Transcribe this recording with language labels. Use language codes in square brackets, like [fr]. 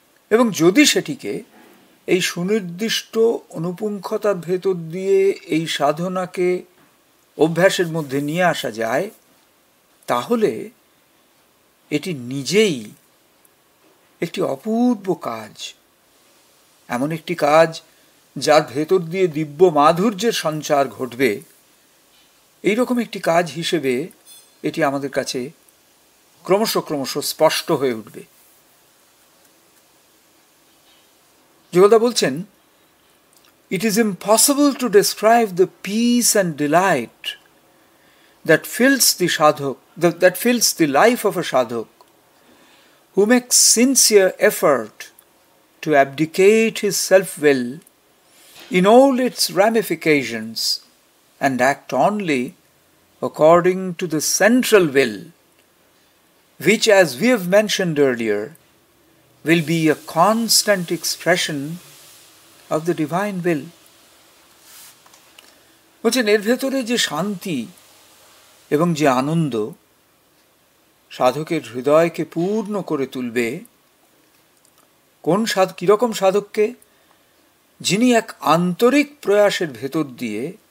[bn] এবং যদি সেটিকে এই সুনির্দিষ্ট অনুপুঙ্খতার ভেতর দিয়ে এই সাধনাকে অভ্যাসের মধ্যে নিয়ে আসা যায়, তাহলে এটি নিজেই একটি অপূর্ব কাজ, এমন একটি কাজ যার ভেতর দিয়ে দিব্য মাধুর্যের সঞ্চার ঘটবে, এইরকম একটি কাজ হিসেবে এটি আমাদের কাছে ক্রমশ ক্রমশ স্পষ্ট হয়ে উঠবে। যোগদা বলছেন, [en] It is impossible to describe the peace and delight that fills the sadhaka that fills the life of a sadhaka who makes sincere effort to abdicate his self-will in all its ramifications and act only according to the central will, which, as we have mentioned earlier, will be a constant expression of the divine will. [bn] বলছেন এর ভেতরে যে শান্তি এবং যে আনন্দ সাধকের হৃদয়কে পূর্ণ করে তুলবে, কোন সাধক, কীরকম সাধককে, যিনি এক আন্তরিক প্রয়াসের ভেতর দিয়ে